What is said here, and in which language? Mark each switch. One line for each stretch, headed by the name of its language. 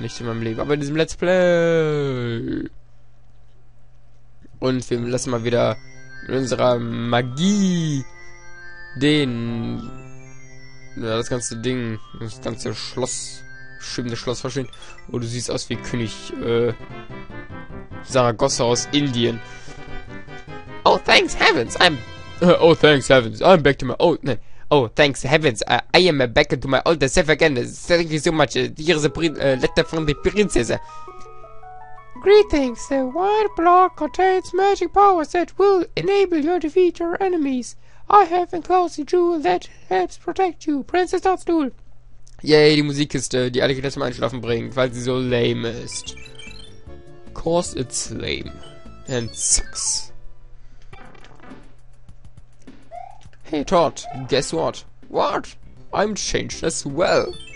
German: Nicht in meinem Leben, aber in diesem Let's Play. Und wir lassen mal wieder in unserer Magie den... Ja, das ganze Ding, das ganze Schloss, schwimmende Schloss verschwinden. Oh, du siehst aus wie König Saragossa aus Indien.
English: Oh, thanks heavens, I'm... Oh, thanks heavens, I'm back to my...
German: Oh, nein.
English: Oh, thanks heavens, I am back to my old self again. Thank you so much. Here's a letter from the princess. Greetings, the white block contains magic powers that will enable you to defeat your enemies. I have enclosed a jewel that helps protect you, Princess Dotstool.
German: Yay, die Musikkiste, die alle Kinder zum Einschlafen bringt, weil sie so lame ist.
English: Of course it's lame. And sucks. Hey, Todd, guess what? What? I'm changed as well.